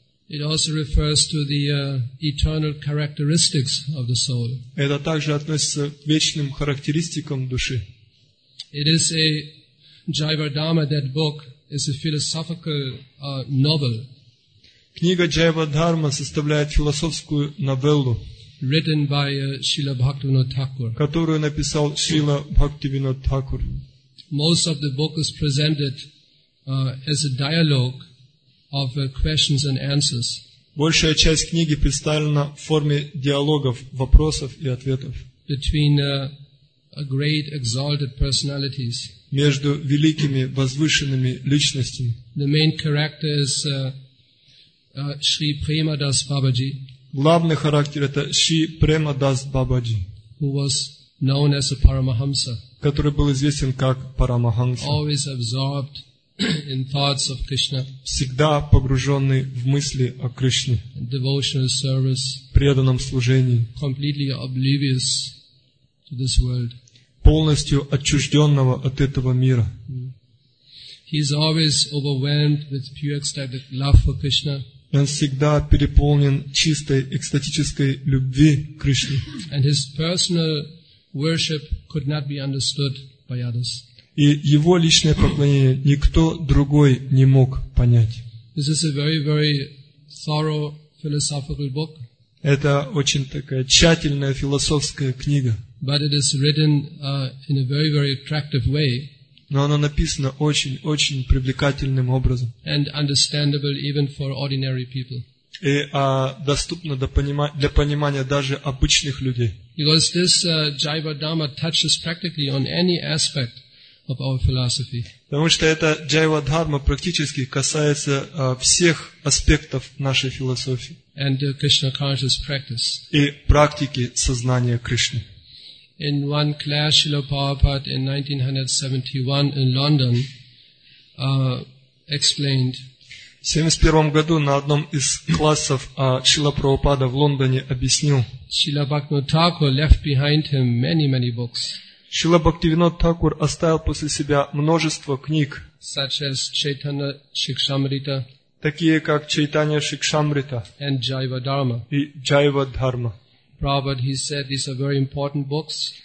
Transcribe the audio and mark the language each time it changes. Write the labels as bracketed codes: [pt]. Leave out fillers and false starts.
[en] It also refers to the eternal characteristics of the soul. [ru] Это также относится к вечным характеристикам души. [en] It is a Jiva Dharma, that book is a philosophical novel. [ru] Книга Jiva Dharma составляет философскую новеллу. [en] Written by Srila Bhaktivinoda Thakur. [ru] Которую написал Srila Bhaktivinoda Thakur. [en] Most of the book is presented as a dialogue of questions and answers. [ru] Большая часть книги представлена в форме диалогов, вопросов и ответов. [en] Between great exalted personalities. [ru] Между великими возвышенными личностями. [en] The main character is Shri Premadas Babaji. [ru] Главный характер это Шри Премадас Бабаджи. [en] Who was known as a Paramahamsa. [ru] Который был известен как Парамахамса. [en] Always absorbed in thoughts of Krishna. [ru] Всегда погруженный в мысли о Кришне. [en] Devotional service. [ru] Преданном служении. [en] Completely oblivious to this world. [ru] Полностью отчужденного от этого мира. [en] He is always overwhelmed with pure ecstatic love for Krishna. [ru] Он всегда переполнен чистой экстатической любви к Кришне. [en] And his personal worship could not be understood by others. [ru] И его личное поклонение никто другой не мог понять. [en] This is a very, very thorough philosophical book. [ru] Это очень такая тщательная философская книга. [en] But it is written in a very, very attractive way. [ru] Но оно написано очень-очень привлекательным образом. [en] And understandable even for ordinary people. [ru] И доступно для понимания даже обычных людей. [en] Because this Jiva Dharma touches practically on any aspect of our philosophy. [ru] Потому что эта Jiva Dharma практически касается всех аспектов нашей философии. [en] And Krishna conscious practice. [ru] И практики сознания Кришны. [en] In one class, Srila Prabhupada in 1971 in London explained. [ru] В 71 году на одном из классов Шрила Прабхупада в Лондоне объяснил. [en] Srila Bhaktivinoda Thakur left behind him many, many books. [ru] Шрила Бхактивинода Такур оставил после себя множество книг. [en] Such as Chaitanya Shikshamrita. [ru] Такие как Чайтанья Шикшамрита. [en] And Jiva Dharma. [ru] И Jiva Dharma. [en] Prabhupada, he said, these are very important books.